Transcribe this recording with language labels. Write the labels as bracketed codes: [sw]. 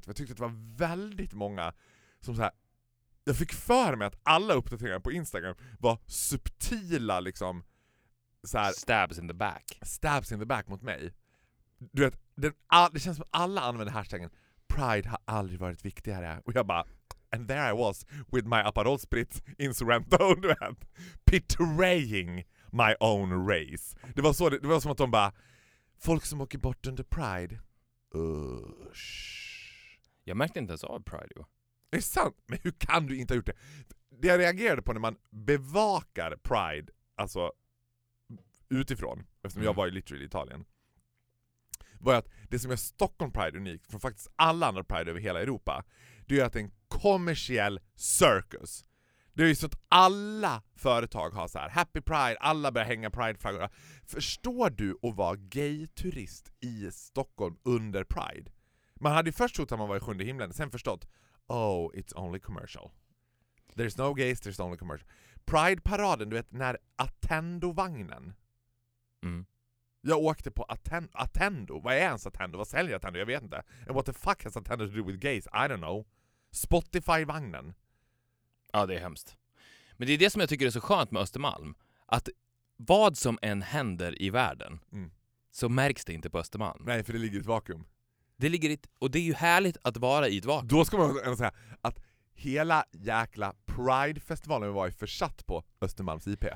[sv] För jag tyckte att det var väldigt många som så här. Jag fick för mig att alla uppdateringar på Instagram var subtila liksom. Så här, [en] stabs in the back. Stabs in the back [sv] mot mig. Du vet, det känns som att alla använder hashtaggen. Pride har aldrig varit viktigare. Och jag bara, [en] and there I was with my Aperol Spritz in Sorrento. [sv] Du vet, [en] betraying my own race. [sv] Det var så, det var som att de bara, folk som åker bort under Pride. Usch. Jag märkte inte ens av Pride. Jo. Det är sant, men hur kan du inte ha gjort det? Det jag reagerade på när man bevakar Pride, alltså utifrån, eftersom jag var ju literally i Italien, var att det som gör Stockholm Pride unikt från faktiskt alla andra Pride över hela Europa, det är att det är en kommersiell circus. Det är ju så att alla företag har så här Happy Pride, alla börjar hänga Pride-flaggor. Förstår du att vara gay-turist i Stockholm under Pride? Man hade ju först trott att man var i sjunde himlen, sen förstått, [en] oh, it's only commercial. There's no gays, there's only commercial. [sv] Pride-paraden, du vet, när Attendo-vagnen. Mm. Jag åkte på Attendo. Vad är ens Attendo? Vad säljer Attendo? Jag vet inte. [en] And what the fuck has Attendo to do with gays? I don't know. Spotify-vagnen. [sv] Ja, det är hemskt. Men det är det som jag tycker är så skönt med Östermalm. Att vad som än händer i världen så märks det inte på Östermalm. Nej, för det ligger i ett vakuum. Det ligger i ett, och det är ju härligt att vara i ett vakuum. Då ska man ändå säga att hela jäkla Pride-festivalen vi var ju försatt på Östermalms IP.